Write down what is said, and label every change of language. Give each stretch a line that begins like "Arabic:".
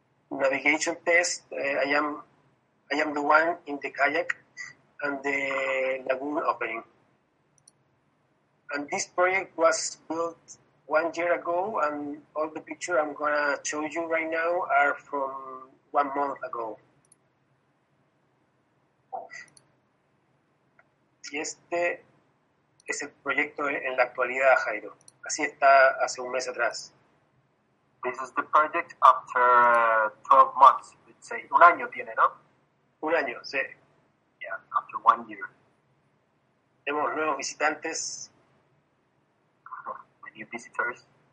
English: Navigation test. I am the one in the kayak and the lagoon opening. And this project was built 1 year ago, and all the pictures I'm going to show you right now are from 1 month ago.
Spanish: Y este es el proyecto en la actualidad, Jairo. Así está hace un mes atrás.
English: This is the project after 12 months, let's say.
Spanish: Un año tiene, ¿no? Un año, sí.
English: Yeah, after 1 year.
Spanish: Tenemos nuevos visitantes.
English: New visitors.